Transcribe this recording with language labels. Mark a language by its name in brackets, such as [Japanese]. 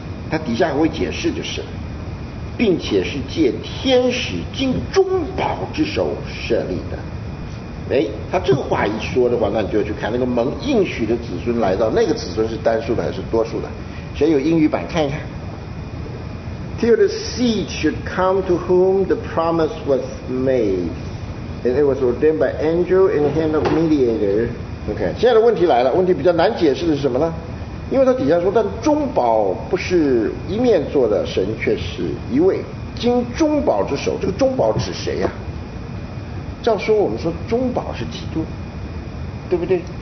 [Chinese] 他底下还会解释，就是并且是借天使经中保之手设立的。哎，他这个话一说的话，那你就要去看那个蒙应许的子孙来到，那个子孙是单数的还是多数的？ [English] 谁有英语版看一看？Till the seed should come to whom the promise was made, and it was ordained by angel in the hand of mediator. [Chinese] OK， 现在的问题来了，问题比较难解释的是什么呢？因为他底下说，但中保不是一面做的，神却是一位，经中保之手。这个中保指谁呀？照说我们说中保是基督，对不对？